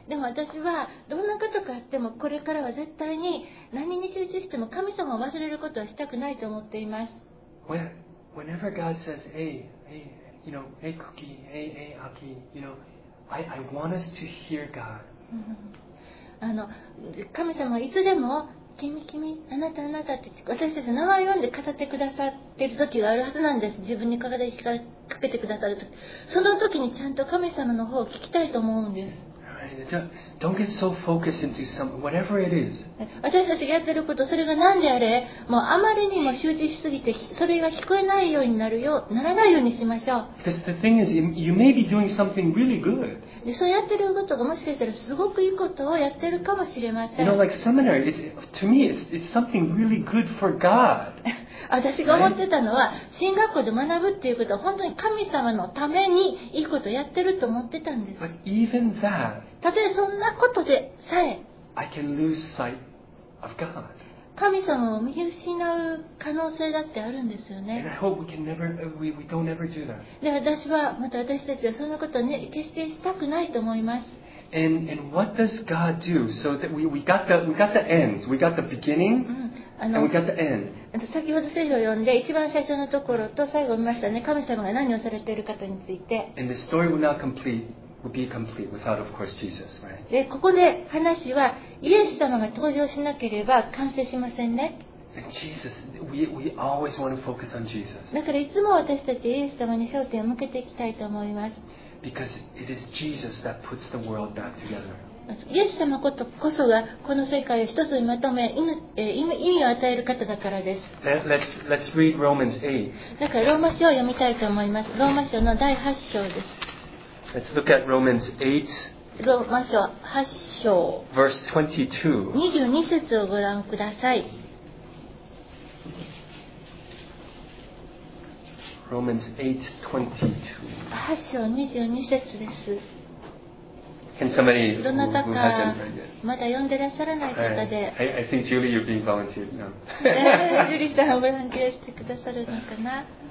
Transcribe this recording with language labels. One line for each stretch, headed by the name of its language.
Japanese: でも私はどんなことがあってもこれからは絶対に何に集中しても神様を忘れることはしたくないと思っています。
English: Whenever God says, hey, you know, hey, Cookie, hey, Aki, you know, I want us to hear God.
Japanese: あの神様はいつでも君あなたあなたって私たちの名前を呼んで語ってくださってる時があるはずなんです。自分にかけてくださる時、その時にちゃんと神様の方を聞きたいと思うんです。
English: Don't get so focused into some whatever it is.
Japanese: 私たちがやってること、それが何であれ、もうあまりにも集中しすぎて、それが聞こえないようになるよ、ならないようにしましょう。
English: The thing is, you may be doing something really good.
Japanese: で、そうやってることがもしかしたらすごくいいことをやってるかもしれません。
English: You know, like seminary, to me, it's something really good for God.
Japanese: 私が思ってたのは、神学校で学ぶっていうことは本当に神様のためにいいことをやってると思ってたんです。
English: But even that.
Japanese: たとえそんなことでさえ
English: I can lose sight of God.
Japanese: 神様を見失う可能性だってあるんですよね。
English: And I hope we can never, we don't ever do that.
Japanese: で、私はまた私たちはそんなことを、ね、決してしたくないと思います。
English: And what does God do? So that we got the ends. We got the beginning、and we got the end.
Japanese: 先ほど聖書を読んで一番最初のところと最後を見ましたね。神様が何をされているかについて。
English: And the story will not completeWould be complete without, of course, Jesus, right?
Japanese: で、ここで話はイエス様が登場しなければ完成しませんね。
English: Jesus, we always want to focus on Jesus.
Japanese: だからいつも私たちイエス様に焦点を向けていきたいと思います。
English: Because it is Jesus that puts the world back together.
Japanese: イエス様ことこそがこの世界を一つにまとめ意味を与える方だからです。
English: Let's read Romans 8.
Japanese: だからローマ書を読みたいと思います。ローマ書の第8章です。
English: Let's look at Romans 8.
Japanese: ローマ書8章。
English: Verse
Japanese: 22. 22節をご覧ください。
English: Romans 8:22.
Japanese: 8章22節です。
English: Can somebody
Japanese: どなたかまだ読んでらっしゃらない方で、
English: I think Julie, you're being volunteered now.
Japanese: Julie さんはボランティアしてくださるのかな。